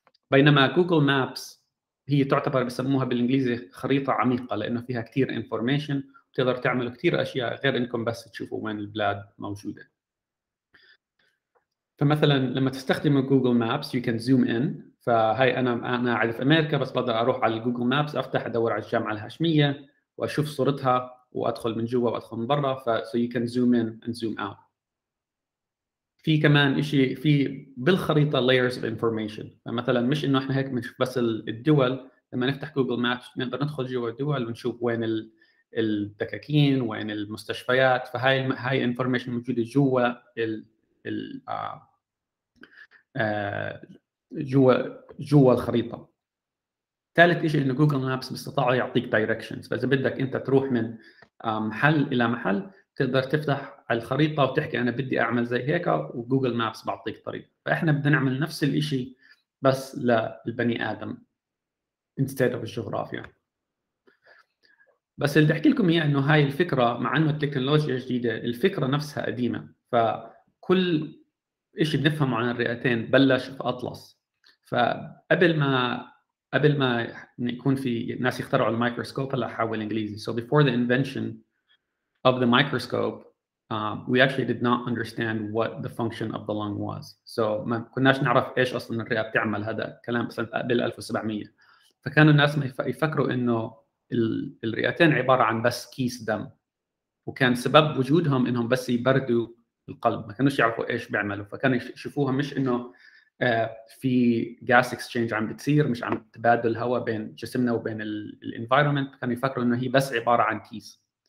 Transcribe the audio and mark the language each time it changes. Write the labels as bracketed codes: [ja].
[ar] بينما جوجل مابس هي تعتبر بسموها بالإنجليزي خريطة عميقة لأنه فيها كتير information، تقدر تعملوا كتير أشياء غير إنكم بس تشوفوا وين البلاد موجودة. فمثلاً لما تستخدموا Google Maps [en] you can zoom in. [ar] فهاي أنا قاعد في أمريكا بس بقدر أروح على Google Maps أفتح أدور على الجامعة الهاشمية وأشوف صورتها وأدخل من جوا وأدخل من برا. [en] ف so you can zoom in and zoom out. [ar] في كمان إشي في بالخريطة [en] layers of information. [ar] فمثلاً مش إنه إحنا هيك بنشوف بس الدول، لما نفتح Google Maps نقدر ندخل جوا الدول ونشوف وين الدكاكين وين المستشفيات. فهاي هاي انفورميشن موجوده جوا ال جوا جوا الخريطه. ثالث شيء انه جوجل مابس بيستطاع يعطيك دايركشنز، فاذا بدك انت تروح من محل الى محل تقدر تفتح الخريطه وتحكي انا بدي اعمل زي هيك وجوجل مابس بيعطيك طريق. فاحنا بدنا نعمل نفس الشيء بس للبني ادم instead of الجغرافيا. بس اللي أحكي لكم هي إنه هاي الفكرة مع إنه التكنولوجيا جديدة الفكرة نفسها قديمة. فكل إشي بنفهمه عن الرئتين بلش في أطلس. فقبل ما يكون في ناس يخترعوا الميكروسكوب اللي حاول إنجليزي. [en] So before the invention of the microscope, we actually did not understand what the function of the lung was. [ar] So ما كناش نعرف إيش أصلاً الرئة بتعمل، هذا كلام بس قبل 1700. فكانوا الناس ما يفكروا إنه الرئتين عبارة عن بس كيس دم وكان سبب وجودهم انهم بس يبردوا القلب، ما كانوش يعرفوا ايش بيعملوا، فكانوا يشوفوها مش انه في gas exchange عم بتصير، مش عم تبادل هواء بين جسمنا وبين الـ environment، كانوا يفكروا انه هي بس عبارة عن كيس.